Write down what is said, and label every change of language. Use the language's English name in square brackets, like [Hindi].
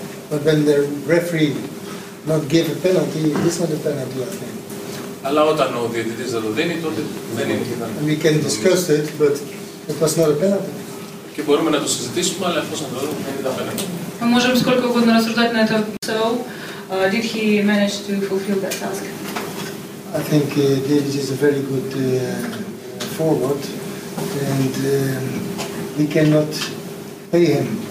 [English] But when the referee not give a penalty, this not a penalty, I think. [Greek] Αλλά όταν ο διαιτητής δεν το δίνει, τότε δεν είναι. [English] And we can discuss it, but it was not a penalty. [Greek] Και μπορούμε να το συζητήσουμε, αλλά εφόσον το δούμε, δεν ήταν πέναλτι. [Russian] Мы можем сколько угодно рассуждать на этот счет. [English] Did he manage to fulfill that task? I think David is a very good forward, and we cannot pay him.